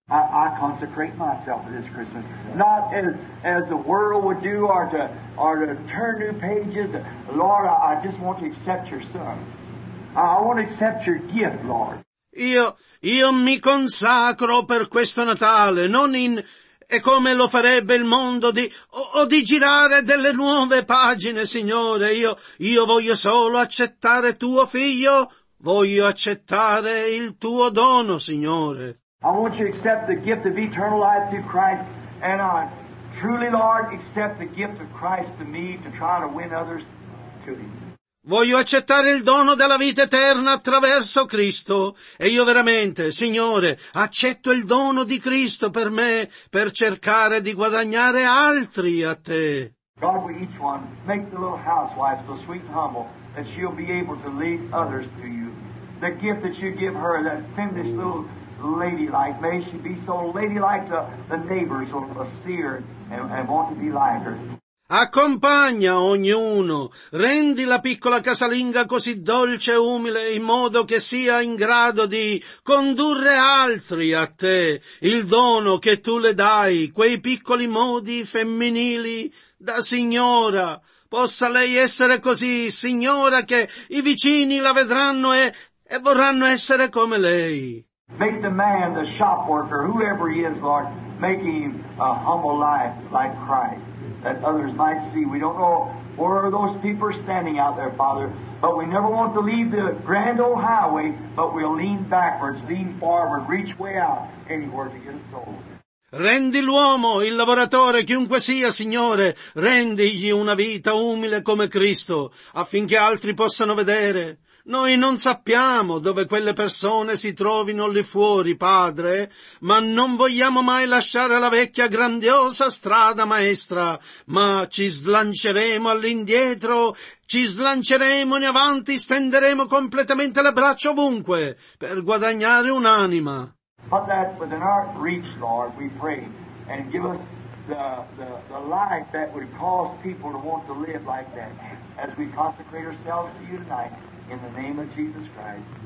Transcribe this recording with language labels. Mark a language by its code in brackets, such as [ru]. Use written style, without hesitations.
[en] I consecrate myself for this Christmas, not as the world would do, or to turn new pages. Lord, I just want to accept your son. I want to accept your gift, Lord. [it] Io mi consacro per questo Natale, non in... E come lo farebbe il mondo di girare delle nuove pagine, Signore. Io voglio solo accettare tuo figlio, voglio accettare il tuo dono, Signore. [en] I want you to accept the gift of eternal life through Christ, and I truly, Lord, accept the gift of Christ to me to try to win others to Him. [it] Voglio accettare il dono della vita eterna attraverso Cristo, e io veramente, Signore, accetto il dono di Cristo per me, per cercare di guadagnare altri a Te. [en] God, we each one, make the little housewife so sweet and humble that she'll be able to lead others to You. The gift that You give her, that finished little... ladylike, may she be so ladylike to the neighbors of a seer and want to be like her. [it] Accompagna ognuno, rendi la piccola casalinga così dolce e umile in modo che sia in grado di condurre altri a te. Il dono che tu le dai, quei piccoli modi femminili da signora, possa lei essere così signora che i vicini la vedranno e vorranno essere come lei. [en] Make the man, the shop worker, whoever he is, Lord, make him a humble life like Christ, that others might see. We don't know where those people are standing out there, Father, but we never want to leave the grand old highway, but we'll lean backwards, lean forward, reach way out anywhere to get a soul. [it] Rendi l'uomo, il lavoratore, chiunque sia, Signore, rendigli una vita umile come Cristo, affinché altri possano vedere. Noi non sappiamo dove quelle persone si trovino lì fuori, Padre, ma non vogliamo mai lasciare la vecchia grandiosa strada maestra, ma ci slanceremo all'indietro, ci slanceremo in avanti, stenderemo completamente le braccia ovunque per guadagnare un'anima. [en] Put that within our reach, Lord, we pray, and give us the life that would cause people to want to live like that, as we consecrate ourselves to you tonight. In the name of Jesus Christ.